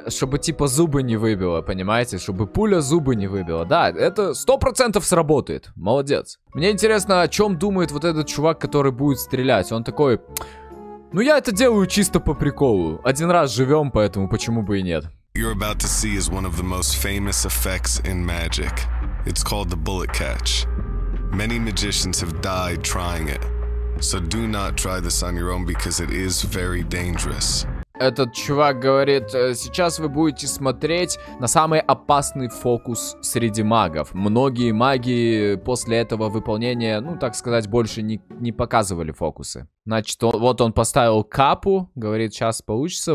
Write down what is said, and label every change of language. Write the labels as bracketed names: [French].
[Russian] Чтобы, типа, зубы не выбило, понимаете? Чтобы пуля зубы не выбила. Да, это 100% сработает. Молодец. Мне интересно, о чем думает вот этот чувак, который будет стрелять. Он такой... Ну, я это делаю чисто по приколу. Один раз живем, поэтому почему бы и нет. [English] You're about to see is one of the most famous effects in magic. It's called the bullet catch. Many magicians have died trying it. So do not try this on your own, because it is very dangerous. [Russian] Этот чувак говорит, сейчас вы будете смотреть на самый опасный фокус среди магов. Многие маги после этого выполнения, ну так сказать, больше не показывали фокусы. Значит, он, вот он поставил капу, говорит, сейчас получится.